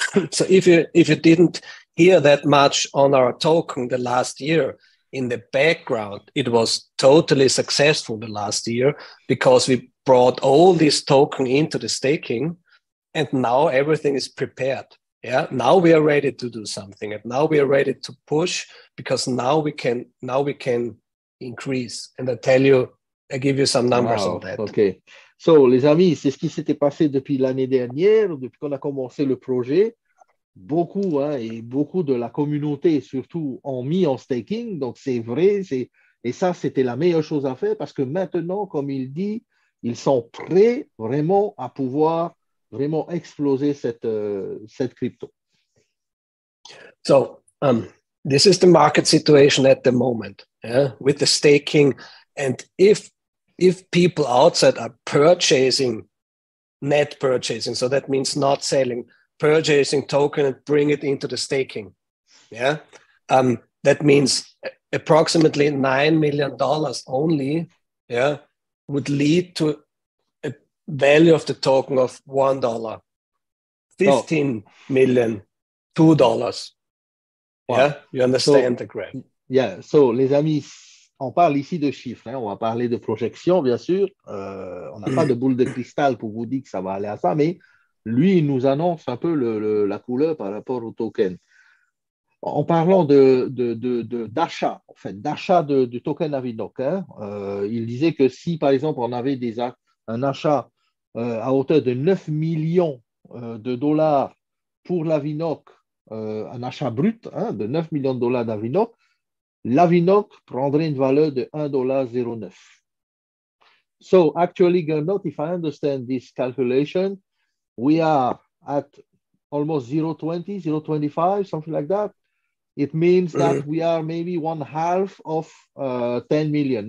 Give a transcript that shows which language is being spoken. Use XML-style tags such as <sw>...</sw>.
<en>So if you didn't hear that much on our token the last year, in the background, it was totally successful the last year because we brought all this token into the staking and now everything is prepared. Yeah, now we are ready to do something and now we are ready to push because now we can increase. And I give you some numbers on that. Okay.</en> <fr>So, les amis, c'est ce qui s'était passé depuis l'année dernière, depuis qu'on a commencé le projet. Beaucoup, hein, et beaucoup de la communauté, surtout, ont mis en staking. Donc, c'est vrai. Et ça, c'était la meilleure chose à faire parce que maintenant, comme il dit, ils sont prêts vraiment à pouvoir vraiment exploser cette crypto.</fr> <en>So, this is the market situation at the moment, yeah, with the staking. And if people outside are purchasing, net purchasing, so that means not selling, purchasing token and bring it into the staking, yeah, that means approximately $9 million only, yeah, would lead to a value of the token of $1, $15 million, $2. Wow. Yeah, you understand the graph.</en> <fr>Yeah, so les amis, on parle ici de chiffres, hein. On va parler de projections, bien sûr. On n'a pas de boule de cristal pour vous dire que ça va aller à ça, mais lui, il nous annonce un peu la couleur par rapport au token. En parlant d'achat, en fait, d'achat de token Avinoc, hein, il disait que si, par exemple, on avait un achat à hauteur de 9 millions de dollars pour l'Avinoc, un achat brut, hein, de 9 millions de dollars d'Avinoc, l'Avinoc prendrait une valeur de 1,09 $.</fr> <en>So, actually, Gernot, if I understand this calculation, we are at almost 0,20, 0,25, something like that. It means that we are maybe one half of 10 million.</en>